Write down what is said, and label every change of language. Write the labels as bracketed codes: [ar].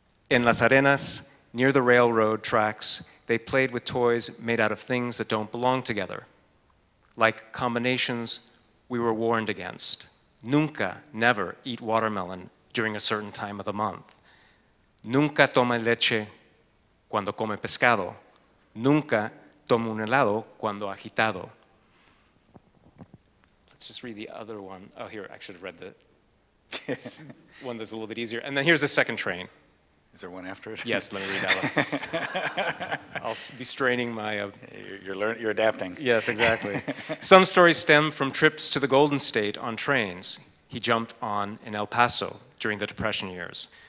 [en] In Las Arenas, near the railroad tracks, they played with toys made out of things that don't belong together, like combinations we were warned against. [es] Nunca, [en] never eat watermelon during a certain time of the month. [es] Nunca toma leche cuando come pescado. Nunca toma un helado cuando agitado. [en] Let's just read the other one. Oh, here, I should have read the one that's a little bit easier. And then here's the second train. Is there one after it? Yes, let me read that one. I'll be straining my... You're adapting. Yes, exactly. Some stories stem from trips to the Golden State on trains he jumped on in El Paso during the Depression years.